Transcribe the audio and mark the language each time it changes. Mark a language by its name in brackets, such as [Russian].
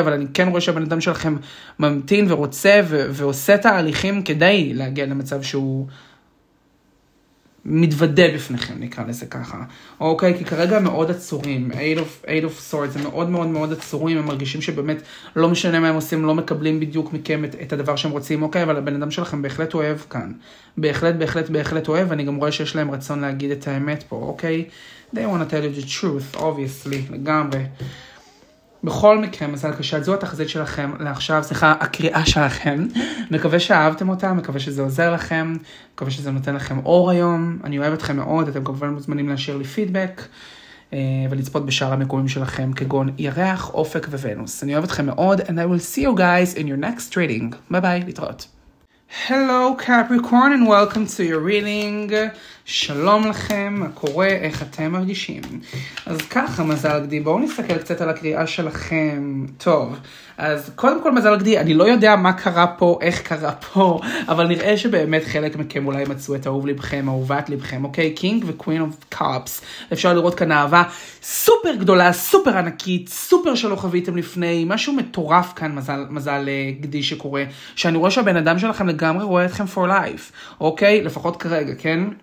[Hebrew] אבל אני כן רואה שהבן אדם שלכם ממתין ורוצה ועושה תהליכים כדי להגיע למצב שהוא מתוודא בפניכם, נקרא לזה ככה. אוקיי, כי כרגע מאוד עצורים. Eight of swords, הם מאוד מאוד מאוד עצורים. הם מרגישים שבאמת לא משנה מה הם עושים, לא מקבלים בדיוק מכם את הדבר שהם רוצים. אוקיי, אבל הבן אדם שלכם בהחלט אוהב כאן. בהחלט, בהחלט, בהחלט אוהב. אני גם רואה שיש להם רצון להגיד את האמת פה. אוקיי? [English] They want to tell you the truth, obviously, לגמרי. [Hebrew] בכל מקרה, מזל קשת, זו התחזית שלכם לעכשיו, סליחה, הקריאה שלכם. מקווה שאהבתם אותה, מקווה שזה עוזר לכם, מקווה שזה נותן לכם אור היום. אני אוהב אתכם מאוד, אתם כמובן מוזמנים להשאיר לי פידבק, ולצפות בשאר המקומים שלכם, כגון ירח, אופק וונוס. אני אוהב אתכם מאוד, [English] and I will see you guys in your next reading. Bye bye, [Hebrew] להתראות. [English] Hello Capricorn and welcome to your reading. [Hebrew] שלום לכם, מה קורה? איך אתם מרגישים? אז ככה מזל גדי, בואו נסתכל קצת על הקריאה שלכם. טוב, אז קודם כל מזל גדי, אני לא יודע מה קרה פה, איך קרה פה, אבל נראה שבאמת חלק מכם אולי מצאו את אהוב לבכם, אהובת לבכם, אוקיי? King and Queen of Cups. אפשר לראות כאן אהבה סופר גדולה, סופר ענקית, סופר שלא חוויתם לפני, משהו מטורף כאן מזל גדי שקורה, שאני רואה שהבן אדם שלכם לגמרי רואה אתכם [English] for life, [Hebrew] אוקיי? לפחות כרגע, כן?